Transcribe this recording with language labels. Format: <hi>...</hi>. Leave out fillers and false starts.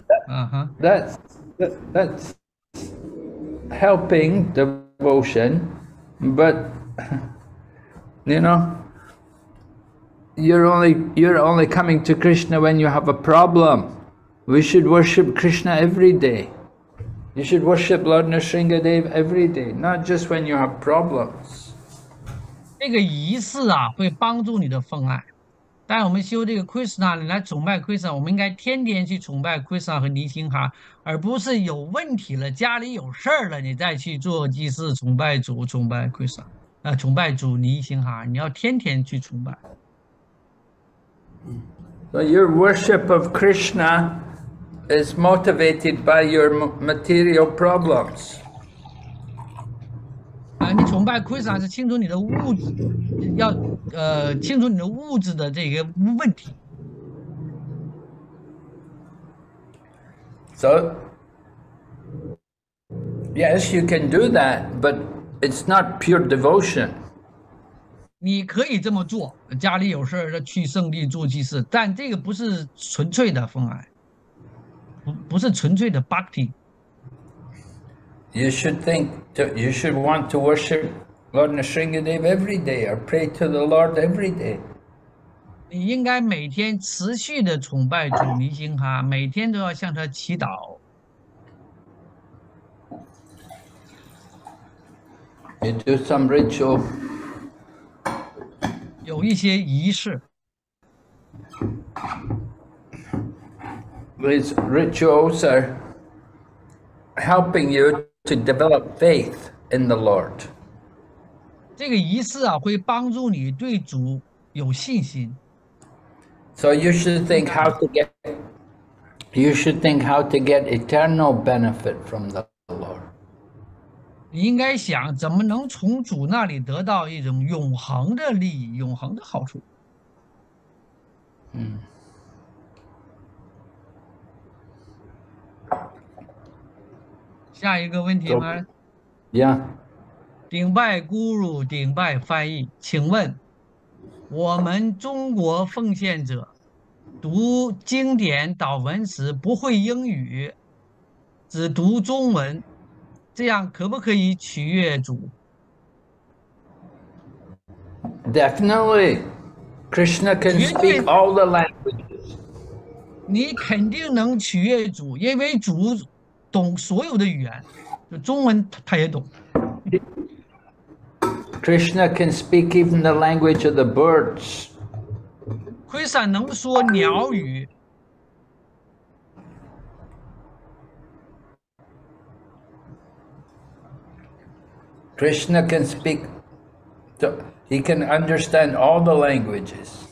<en>That's helping devotion, but you know. You're only coming to Krishna when you have a problem. We should worship Krishna every day. You should worship Lord Nrisimhadev every day, not just when you have problems.</en> <zh>这个仪式啊，会帮助你的奉爱。但我们修这个 Krishna， 你来崇拜 Krishna， 我们应该天天去崇拜 Krishna 和尼星哈，而不是有问题了、家里有事了，你再去做祭祀、崇拜主、崇拜 Krishna， 崇拜主尼星哈，你要天天去崇拜。</zh> <en>So your worship of Krishna is motivated by your material problems.</en> <zh>你崇拜 Krishna 是清除你的物质，要清除你的物质的这个问题。</zh> <en>So yes, you can do that, but it's not pure devotion.</en> <zh>你可以这么做，家里有事儿去圣地做祭祀，但这个不是纯粹的奉爱，不是纯粹的 bhakti。</zh> <en>You should think, you should want to worship Lord Nrisimhadev every day or pray to the Lord every day.</en> <zh>你应该每天持续的崇拜主尼星哈，每天都要向他祈祷。</zh> <en>You do some ritual.</en> <zh>有一些仪式。</zh> <en>These rituals are helping you to develop faith in the Lord.</en> <zh>这个仪式啊，会帮助你对主有信心。</zh> <en>So you should think how to get, you should think how to get eternal benefit from the Lord.</en> <zh>你应该想怎么能从主那里得到一种永恒的利益、永恒的好处。下一个问题吗？呀。顶拜咕噜，顶拜翻译，请问我们中国奉献者读经典祷文时不会英语，只读中文，这样可不可以取悦主？</zh> <en>Definitely. Krishna can speak all the languages.</en> <zh>你肯定能取悦主，因为主懂所有的语言，就中文他也懂。</zh> <en>Krishna can speak even the language of the birds.</en> <zh>Krishna 能说鸟语。</zh> <en>Krishna can speak, he can understand all the languages.</en>